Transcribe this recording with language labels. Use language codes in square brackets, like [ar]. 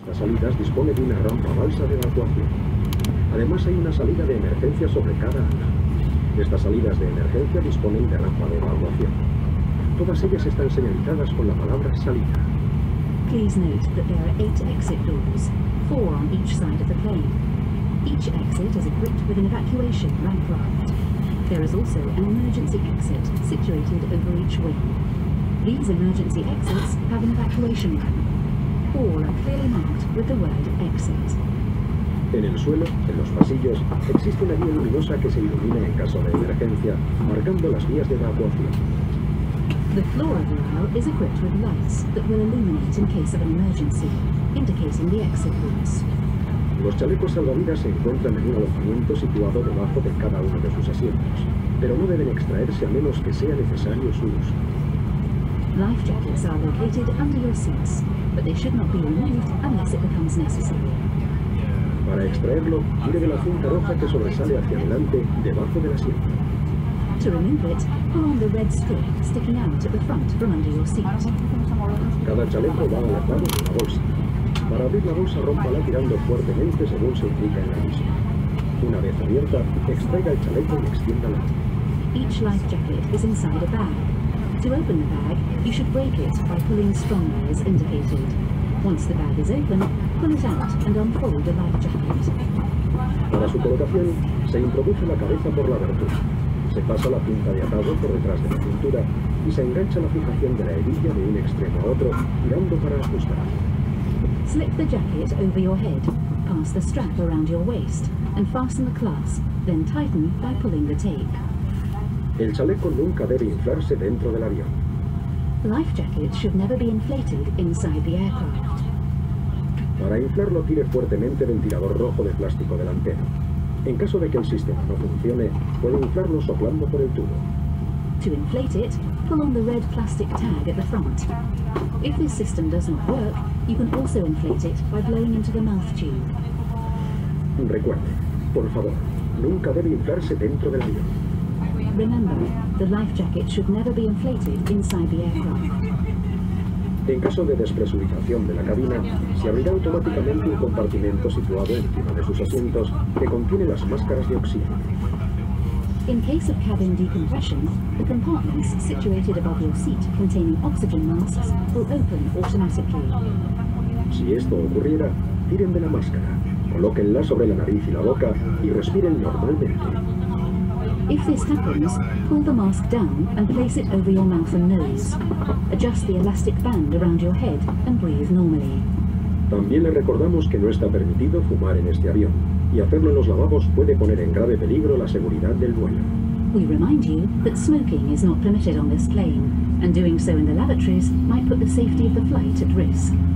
[es] salidas dispone de una rampa balsa de evacuación. Además, hay una salida de emergencia sobre cada ala. Estas salidas de emergencia disponen de rampa de evacuación. Todas ellas están señalizadas con la palabra salida. [en] Please note that there are 8 exit doors, 4 on each side of the plane. Each exit is equipped with an evacuation ramp raft. There is also an emergency exit situated over each wing. These emergency exits have an evacuation ramp. All are clearly marked with the word exit. [es] En el suelo, en los pasillos, existe una guía luminosa que se ilumina en caso de emergencia, marcando las vías de evacuación. [en] The floor of the aisle is equipped with lights that will illuminate in case of an emergency, indicating the exit routes. [es] Los chalecos salvavidas se encuentran en un alojamiento situado debajo de cada uno de sus asientos, pero no deben extraerse a menos que sea necesario su uso. [en] Life jackets are located under your seats, but they should not be removed unless it becomes necessary. [es] Para extraerlo, mire la cinta roja que sobresale hacia adelante debajo del asiento. [en] To remove it, pull on the red strip sticking out at the front from under your seat. [es] Cada chaleco va atado con la bolsa. Para abrir la bolsa, rómpala tirando fuertemente según se indica en la misma. Una vez abierta, extraiga el chaleco y extiéndala. [en] Each life jacket is inside a bag. To open the bag, you should break it by pulling strongly as indicated. Once the bag is open, pull it out and unfold the life jacket. [es] Para su colocación, se introduce la cabeza por la abertura. Se pasa la cinta de atado por detrás de la cintura y se engancha la fijación de la hebilla de un extremo a otro, tirando para ajustar. [en] Slip the jacket over your head, pass the strap around your waist, and fasten the clasp, then tighten by pulling the tape. [es] El chaleco nunca debe inflarse dentro del avión. [en] Life jackets should never be inflated inside the aircraft. [es] Para inflarlo, tire fuertemente ventilador rojo de plástico delantero. En caso de que el sistema no funcione, puede inflarlo soplando por el tubo. [en] To inflate it, pull on the red plastic tag at the front. If this system does not work, you can also inflate it by blowing into the mouth tube. [es] Recuerde, por favor, nunca debe inflarse dentro del avión. [en] Remember, the life jacket should never be inflated inside the aircraft. [es] En caso de despresurización de la cabina, se abrirá automáticamente un compartimento situado encima de sus asientos que contiene las máscaras de oxígeno. [en] In case of cabin decompression, the compartments situated above your seat containing oxygen masks will open automatically. [es] Si esto ocurriera, tiren de la máscara, colóquenla sobre la nariz y la boca y respiren normalmente. [en] If this happens, pull the mask down and place it over your mouth and nose. Adjust the elastic band around your head and breathe normally. [es] También le recordamos que no está permitido fumar en este avión, y hacerlo en los lavabos puede poner en grave peligro la seguridad del vuelo. [en] We remind you that smoking is not permitted on this plane, and doing so in the lavatories might put the safety of the flight at risk.